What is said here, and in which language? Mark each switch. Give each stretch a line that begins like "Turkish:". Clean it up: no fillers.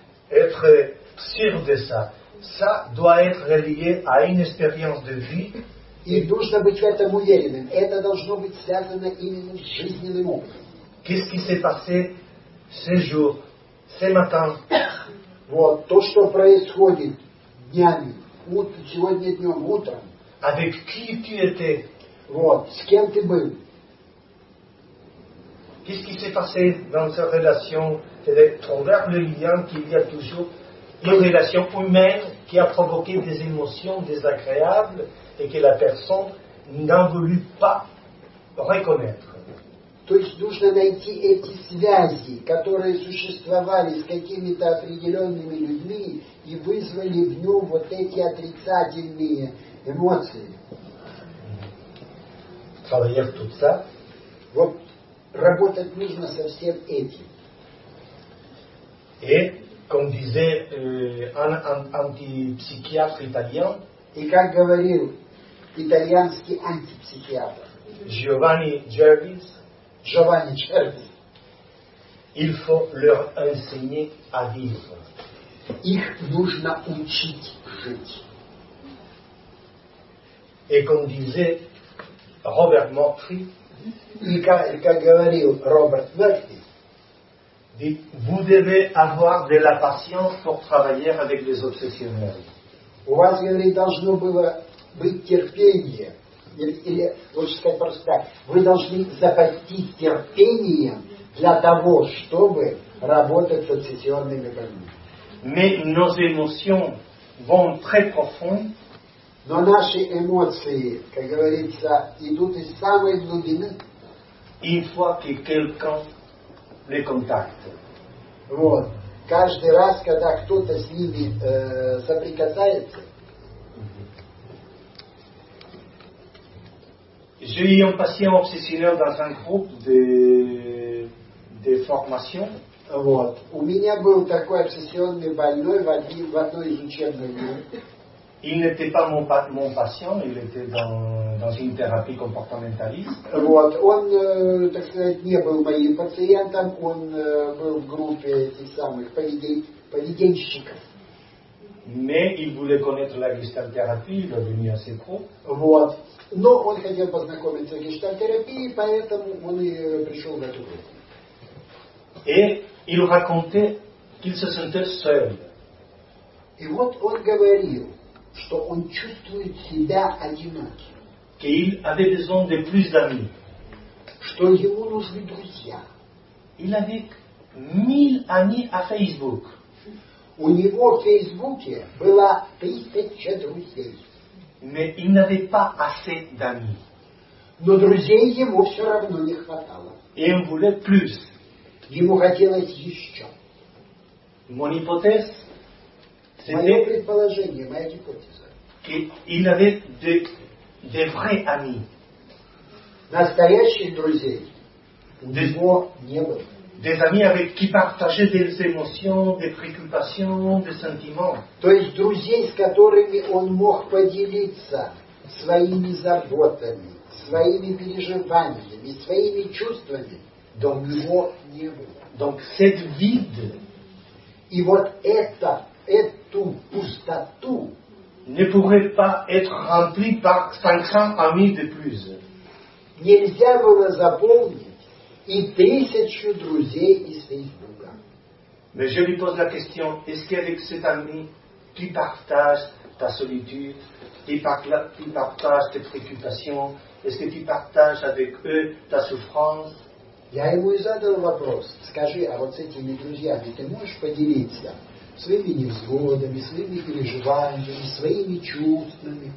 French: Être sûr de ça, ça doit être relié à une expérience de vie.
Russian: И нужно быть в этом уверенным. Это должно быть связано именно с жизненным опытом.
French: Qu'est-ce qui s'est passé ce jour, ce matin?
Russian: Вот, то, что происходит днями, сегодня днем, утром.
French: Avec qui tu étais?
Russian: Вот, с кем ты был?
French: Qu'est-ce qui s'est passé dans cette relation? C'est envers le lien qu'il y a toujours une relation humaine qui a provoqué des émotions désagréables et que la personne n'a voulu pas reconnaître.
Russian: То есть нужно найти эти связи, которые существовали с какими-то определенными людьми и вызвали в нем вот эти отрицательные эмоции.
French: Travailler tout ça.
Russian: Вот работать нужно со всем этим.
French: Et, comme disait un antipsychiatre italien,
Russian: и как говорил итальянский антипсихиатр
French: Giovanni Gervis,
Russian: Giovanni Cervi.
French: Il faut leur enseigner à vivre.
Russian: Их нужно учить жить.
French: Et comme disait Robert Murphy,
Russian: как говорил Robert Murphy,
French: dit, vous devez avoir de la patience pour travailler avec les obsessionnels.
Russian: У вас, говорит, должно было быть терпение. Или лучше сказать просто так. Вы должны запастись терпением для того, чтобы работать с обсессионными больными.
French: Mais nos émotions vont très profond.
Russian: Но наши эмоции, как говорится, идут из самой глубины.
French: Une fois que quelqu'un les contacte.
Russian: Вот. Каждый раз, когда кто-то с ними соприкасается,
French: j'ai eu un patient obsessionnel dans un groupe de formation.
Russian: Вот. У меня был такой обсессионный больной в одной из учебных групп.
French: Il n'était pas mon patient, il était dans une thérapie comportementaliste.
Russian: Вот. Он, так сказать, не был моим пациентом, он был в группе этих самых поведенщиков.
French: Mais il voulait connaître la gestalt-thérapie, il est venu à ses cours.
Russian: Вот. Но он хотел познакомиться с гештальт-терапией, поэтому он и пришел в эту группу.
French: Et il racontait qu'il se sentait seul.
Russian: И вот он говорил, что он чувствует себя одиноким.
French: Qu'il avait besoin de plus d'amis.
Russian: Что ему нужны друзья.
French: Il avait 1000 amis à Facebook.
Russian: У него в Фейсбуке было 1000 друзей.
French: Mais il n'avait pas assez d'amis.
Russian: Но друзей ему все равно не хватало.
French: Et il voulait plus.
Russian: Ему хотелось еще.
French: Mon hypothèse, c'était
Russian: мое предположение, моя гипотеза.
French: Qu'il avait de vrais amis.
Russian: Настоящих друзей у него не было.
French: Des amis avec qui partager des émotions, des préoccupations, des sentiments.
Russian: То есть друзей, с которыми он мог поделиться своими заботами, своими переживаниями, своими чувствами, до него не было.
French: Donc cette vide,
Russian: и вот эту пустоту
French: ne pourrait pas être remplie par 500 amis de plus.
Russian: Нельзя было заполнить и 1000 друзей из Фейсбука.
French: Mais je lui pose la question, est-ce qu'avec cet ami qui partage ta solitude, qui partage tes préoccupations, est-ce que tu partages avec eux ta souffrance?
Russian: Я ему и задал вопрос, скажи, а вот с этими друзьями ты можешь поделиться своими невзгодами, своими переживаниями, своими чувствами?